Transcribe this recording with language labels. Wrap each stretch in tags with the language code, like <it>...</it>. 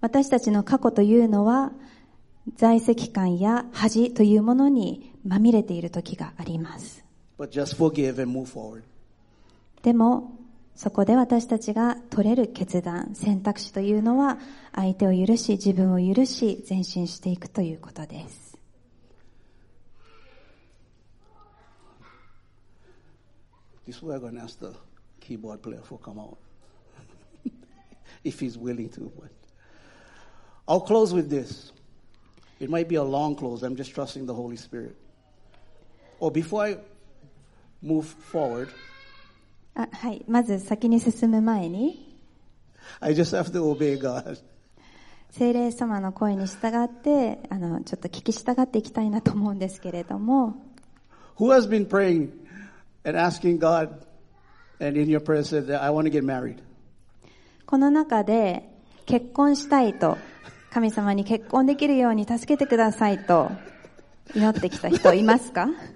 <ja>たちの過去というのは罪責感や恥というものにまみれている時があります。</ja> <en>But just forgive and move forward.</en> <ja>でもそこで私たちが取れる決断、選択肢というのは相手を許し、自分を許し、前進していくということです。</ja> <en>This way I'm going to ask the keyboard player for come out. If he's willing to. I'll close with this. It might be a long close. I'm just trusting the Holy Spirit. Or before I move forward,</en> <ja>あ、はい、まず先に進む前に</ja> <en>I just have to obey God.</en> <ja>聖霊様の声に従ってちょっと聞き従っていきたいなと思うんですけれども</ja> <en>Who has been praying and asking God and in your prayer said that I want to get married?</en> <ja>この中で結婚したいと神様に結婚できるように助けてくださいと祈ってきた人いますか？</ja>